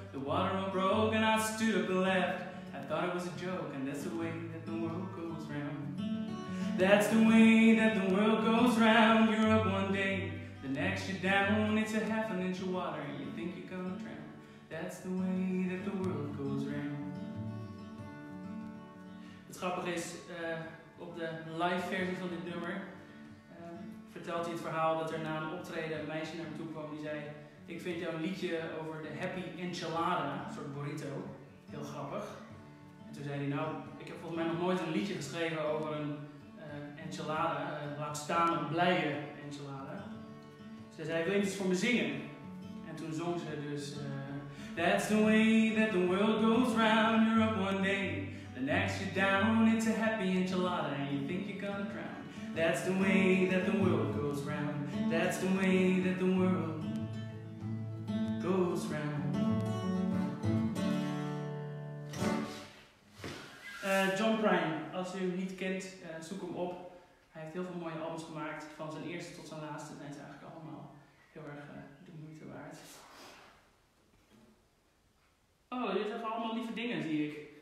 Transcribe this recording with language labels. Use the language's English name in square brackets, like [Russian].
[English] The water all broke, and I stood up and left. I thought it was a joke, and that's the way that the world goes round. That's the way that the world goes round. You're up one day, the next you're down. It's a half an inch of water, and you think you're gonna drown. That's the way that the world goes round. [Dutch] Het grappige is, op de live versie van dit nummer vertelt hij het verhaal dat er na een optreden een meisje naar hem toe kwam die zei: ik vind jouw liedje over de happy enchilada, een soort burrito, heel grappig. Toen zei hij, nou, ik heb volgens mij nog nooit een liedje geschreven over een enchilada, laat staan een blije enchilada. Ze zei, wil je iets voor me zingen? En toen zong ze dus, [English] that's the way that the world goes round, you're up one day, the next you're down, it's a happy enchilada, and you think you're gonna drown. That's the way that the world goes round, that's the way that the world goes round. [Dutch] John Prine, als u hem niet kent, zoek hem op. Hij heeft heel veel mooie albums gemaakt, van zijn eerste tot zijn laatste. Zijn ze eigenlijk allemaal heel erg de moeite waard. Oh, jullie zeggen allemaal lieve dingen, zie ik.